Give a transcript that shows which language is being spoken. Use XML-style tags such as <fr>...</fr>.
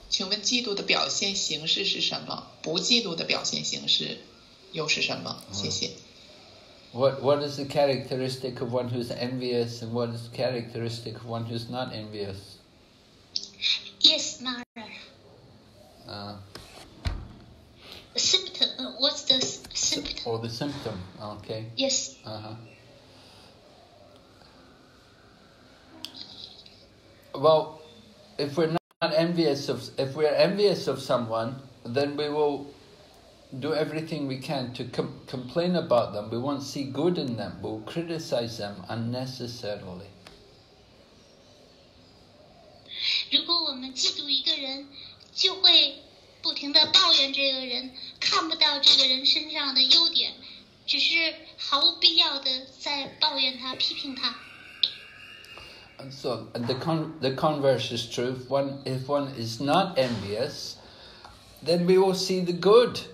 <zh>请问嫉妒的表现形式是什么？不嫉妒的表现形式又是什么？谢谢。</zh> <en>What is the characteristic of one who's envious, and what is the characteristic of one who's not envious? Yes, Mara. Symptom. What's the symptom? Oh, the symptom. Okay. Yes. Well, if we're not envious of, if we're envious of someone, then we will do everything we can to complain about them. We won't see good in them. We'll criticize them unnecessarily.</en> <zh>如果我们嫉妒一个人，就会不停地抱怨这个人，看不到这个人身上的优点，只是毫无必要地在抱怨他，批评他。</zh> <en>So the converse is true. If one is not envious, then we will see the good.</en>